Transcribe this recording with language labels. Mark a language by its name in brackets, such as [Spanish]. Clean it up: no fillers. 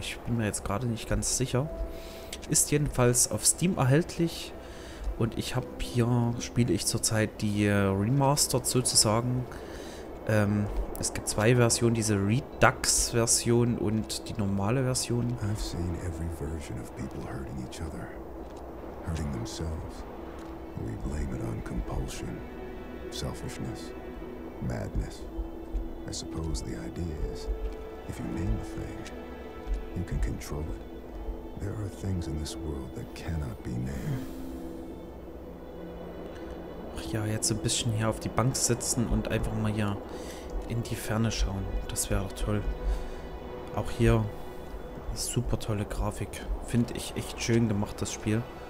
[German] Ich bin mir jetzt gerade nicht ganz sicher. Ist jedenfalls auf Steam erhältlich. Und ich habe hier, spiele ich zurzeit die Remastered sozusagen. Es gibt zwei Versionen, diese Redux-Version und die normale Version. [English] I've seen every version of people hurting each other. Hurting themselves. We blame it on compulsion, selfishness, madness. I suppose the idea is, if you name a thing, you can control it. There are things in this world that cannot be named. [German] Ja, jetzt ein bisschen hier auf die Bank sitzen und einfach mal hier in die Ferne schauen. Das wäre auch toll. Auch hier super tolle Grafik. Finde ich echt schön gemacht, das Spiel.